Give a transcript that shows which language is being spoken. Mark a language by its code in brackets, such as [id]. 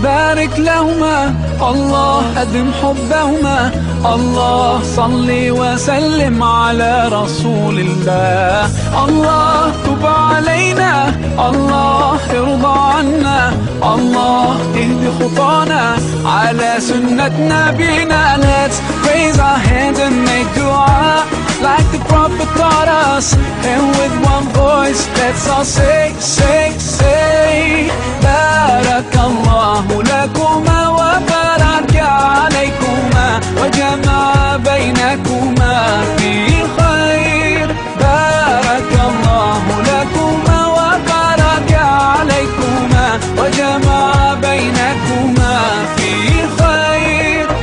[ar] أدم حبهما الله صلي وسلم على رسول الله الله تب علينا الله ارضى عنا الله اهد خطانا على سنة نبينا. [en] Let's raise our hands and make dua like the Prophet taught us. And with one voice let's all say, say, say, [ar] بارك الله لكما وبارك عليكما وجمع بينكما في الخير. بارك الله لكما وبارك عليكما وجمع بينكما في الخير.